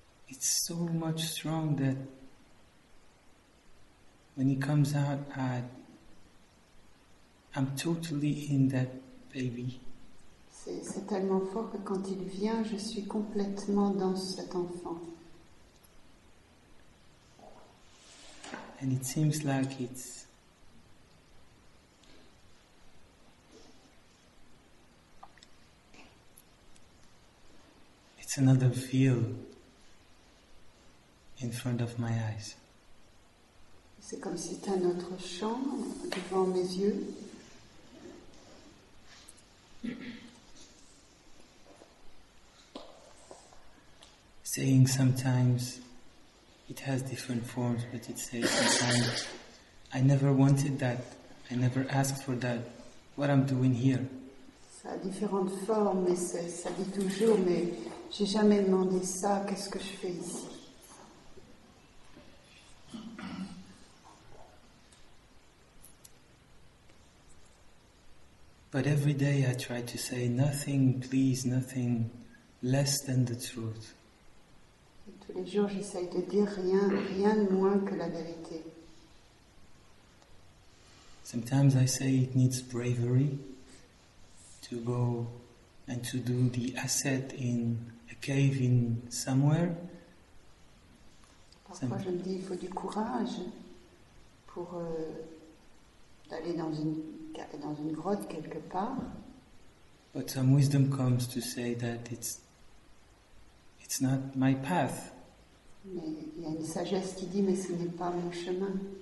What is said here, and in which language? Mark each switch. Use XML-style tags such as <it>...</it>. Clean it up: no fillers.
<en>It's so much strong that when he comes out, I'm totally in that baby.</en> <fr>C'est tellement fort que quand il vient, je suis complètement dans cet enfant.</fr> <en>And it seems like it's another field in front of my eyes.</en> <fr>C'est comme si c'était un autre champ devant mes yeux.</fr> <en>Saying sometimes it has different forms, but it says sometimes I never wanted that, I never asked for that, what I'm doing here.</en> <fr>Ça a différentes formes, mais ça dit toujours, mais j'ai jamais demandé ça, qu'est-ce que je fais ici?</fr> <en>But every day I try to say nothing, please, nothing less than the truth.</en> <fr>Tous les jours j'essaye de dire rien, rien moins que la vérité.</fr> <en>Sometimes I say it needs bravery to go and to do the ascet in a cave in somewhere.</en> <fr>Parfois je me dis il faut du courage pour d'aller dans une grotte quelque part.</fr> <en>But some wisdom comes to say that it's not my path.</en> <fr>Mais il y a une sagesse qui dit mais ce n'est pas mon chemin.</fr>